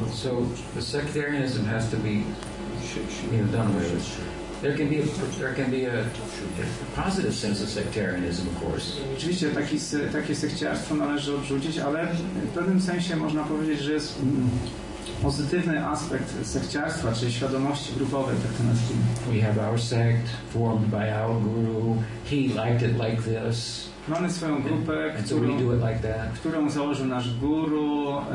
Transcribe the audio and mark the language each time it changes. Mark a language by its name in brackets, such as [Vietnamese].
[English] So the sectarianism has to be done with. There can be a positive sense of sectarianism, of course. [Polish] Oczywiście takie sekciarstwo należy odrzucić, ale w pewnym sensie można powiedzieć, że jest pozytywny aspekt sekciarstwa, czyli świadomości grupowej, tak to nazwijmy. [English] We have our sect formed by our guru. He liked it like this. [Polish] Mamy swoją grupę, którą założył nasz guru.